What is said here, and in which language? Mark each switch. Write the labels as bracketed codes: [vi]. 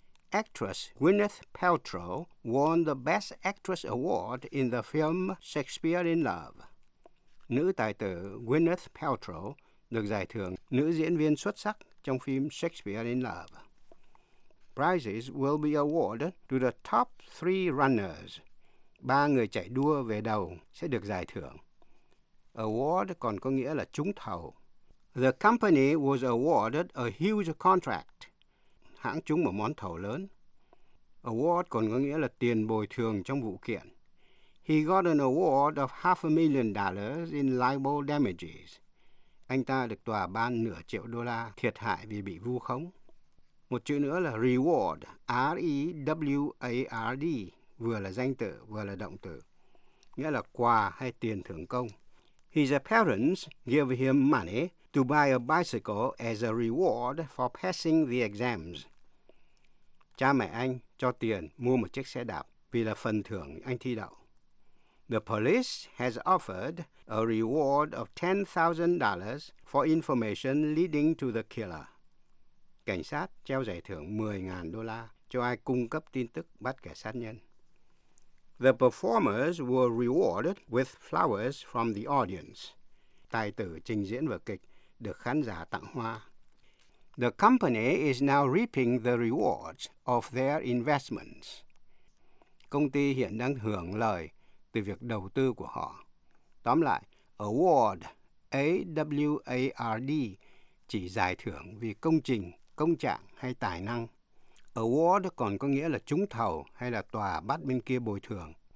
[en] Actress Gwyneth Paltrow won the Best Actress Award in the film Shakespeare in Love. [vi] Nữ tài tử Gwyneth Paltrow được giải thưởng nữ diễn viên xuất sắc trong phim Shakespeare in Love. [en] Prizes will be awarded to the top three runners. [vi] Ba người chạy đua về đầu sẽ được giải thưởng. Award còn có nghĩa là trúng thầu. [en] The company was awarded a huge contract. [vi] Hãng trúng một món thầu lớn. Award còn có nghĩa là tiền bồi thường trong vụ kiện. [en] He got an award of $500,000 in libel damages. [vi] Anh ta được tòa ban nửa triệu đô la thiệt hại vì bị vu khống. Một chữ nữa là reward, R-E-W-A-R-D, vừa là danh từ vừa là động từ, nghĩa là quà hay tiền thưởng công. [en] His parents gave him money to buy a bicycle as a reward for passing the exams. [vi] Cha mẹ anh cho tiền mua một chiếc xe đạp vì là phần thưởng anh thi đậu. [en] The police has offered a reward of $10,000 for information leading to the killer. [vi] Cảnh sát treo giải thưởng $10,000 cho ai cung cấp tin tức bắt kẻ sát nhân. [en] The performers were rewarded with flowers from the audience. [vi] Tài tử trình diễn vở kịch được khán giả tặng hoa. [en] The company is now reaping the rewards of their investments. [vi] Công ty hiện đang hưởng lợi từ việc đầu tư của họ. Tóm lại, award, A-W-A-R-D, chỉ giải thưởng vì công trình, công trạng hay tài năng. Award còn có nghĩa là trúng thầu hay là tòa bắt bên kia bồi thường.